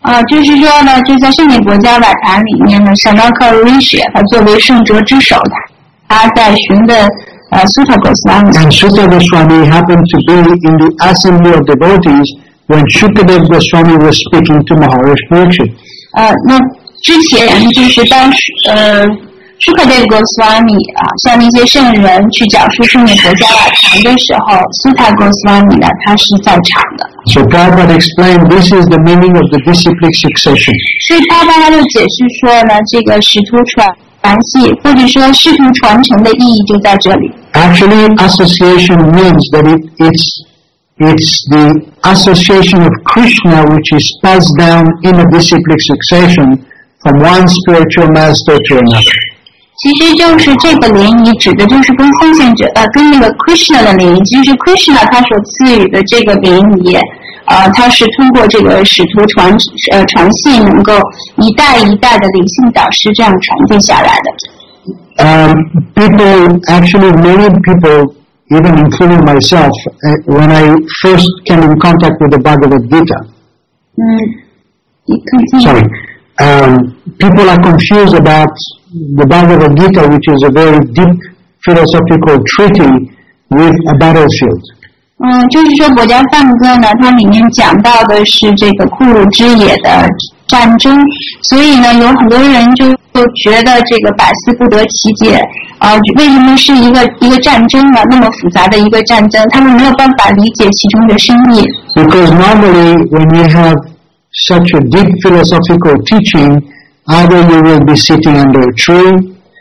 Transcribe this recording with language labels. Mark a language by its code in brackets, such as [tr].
[zh] 就是说呢，就在圣地国家瓦坛里面呢，沙拉克瑞什他作为圣哲之首的，他在询问苏塔格斯瓦米。 [en] And Sutta Goswami happened to be in the assembly of devotees when Sukadev Goswami was speaking to Maharishi Murti. [zh] 那之前就是当时Sukadev Goswami向那些圣人去讲述圣地国家瓦坛的时候，苏塔格斯瓦米呢，他是在场的。 [en] So Prabhupada explained this is the meaning of the disciplic succession. [zh] 所以他把他就解释说呢，这个使徒传系或者说使徒传承的意义就在这里。 [en] Actually, association means that it's the association of Krishna which is passed down in a disciplic succession from one spiritual master to another. [zh] 其实就是这个联谊指的就是跟奉献者跟那个 Krishna 的联谊，就是 Krishna 他所赐予的这个联谊。他是通过这个使徒传信能够一代一代的灵性导师这样传递下来的。 [en] People, actually many people, even including myself, when I first came in contact with the Bhagavad Gita, people are confused about the Bhagavad Gita, which is a very deep philosophical treaty with a battlefield. [zh] 就是说《国家梵歌》呢，它里面讲到的是这个库鲁之野的战争，所以呢，有很多人就觉得这个百思不得其解，为什么是一个战争呢？那么复杂的一个战争，他们没有办法理解其中的深意。 [en] Because normally when you have such a deep philosophical teaching, either you will be sitting under a tree.